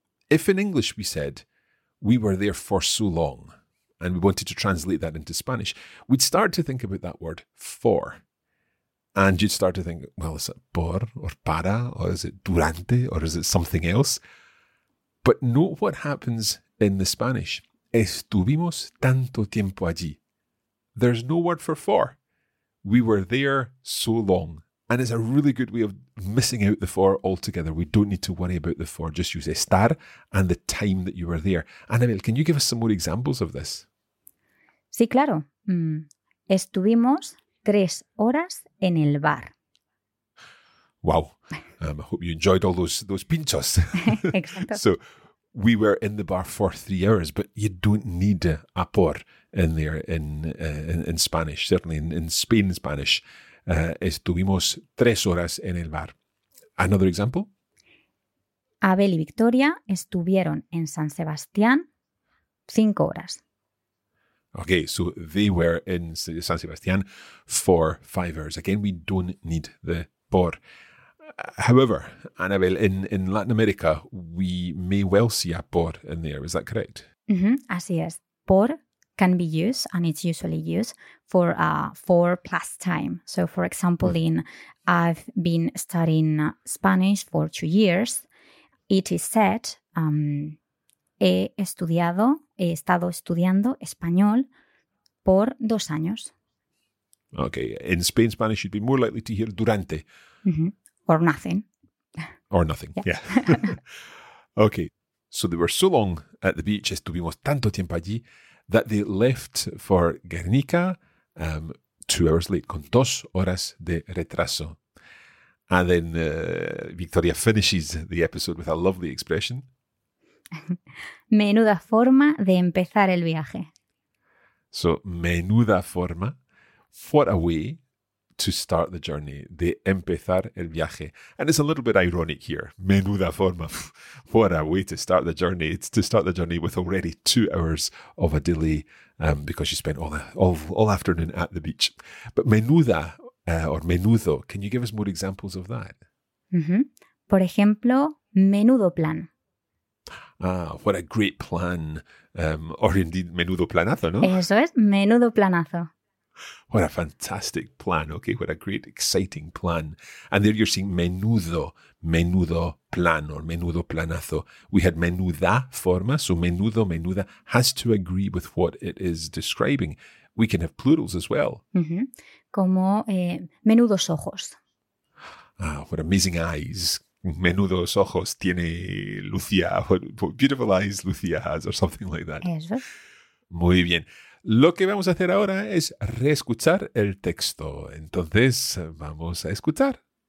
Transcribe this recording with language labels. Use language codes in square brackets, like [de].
[en] If in English we said, we were there for so long, and we wanted to translate that into Spanish, we'd start to think about that word, for. And you'd start to think, well, is it por or para, or is it durante, or is it something else? But note what happens in the Spanish. [es] Estuvimos tanto tiempo allí. [en] There's no word for. We were there so long. And it's a really good way of missing out the for altogether. We don't need to worry about the for. Just use estar and the time that you were there. Anabel, can you give us some more examples of this? [es] Sí, claro. Estuvimos 3 horas en el bar. Wow. [en] I hope you enjoyed all those pinchos. [es] Exacto. [en] So we were in the bar for 3 hours, but you don't need a por in there in Spanish, certainly in Spain Spanish. [es] Estuvimos 3 horas en el bar. [en] Another example? [es] Abel y Victoria estuvieron en San Sebastián 5 horas. [en] Okay, so they were in San Sebastián for 5 hours. Again, we don't need the por. However, Anabel, in Latin America, we may well see a por in there. Is that correct? [es] Mm-hmm, así es. [en] Por can be used, and it's usually used for plus time. So, for example, I've been studying Spanish for 2 years. It is said, [es] he estado estudiando español por 2 años. [en] Okay. In Spain, Spanish, you'd be more likely to hear durante. Mm-hmm. Or nothing. Or nothing, yeah. Okay, so they were so long at the beach, [es] estuvimos tanto tiempo allí, [en] that they left for Guernica 2 hours late, [es] con 2 horas de retraso. [en] And then Victoria finishes the episode with a lovely expression. [es] Menuda forma de empezar el viaje. [en] So, [es] menuda forma, [en] what a way to start the journey, [es] de empezar el viaje. [en] And it's a little bit ironic here. [es] Menuda forma. [en] What a way to start the journey. It's to start the journey with already 2 hours of a delay because you spent all afternoon at the beach. But menuda or menudo, can you give us more examples of that? Mm-hmm. [es] Por ejemplo, menudo plan. [en] Ah, what a great plan. Or indeed, [es] menudo planazo, ¿no? Eso es, menudo planazo. [en] What a fantastic plan, okay? What a great, exciting plan. And there you're seeing menudo, menudo plan or menudo planazo. We had menuda forma, so menudo, menuda has to agree with what it is describing. We can have plurals as well. [es] Mm-hmm. Como menudos ojos. [en] Ah, what amazing eyes. [es] Menudos ojos tiene Lucía. [en] What beautiful eyes Lucía has or something like that. [es] Eso. Muy bien. Lo que vamos a hacer ahora es reescuchar el texto. Entonces, vamos a escuchar.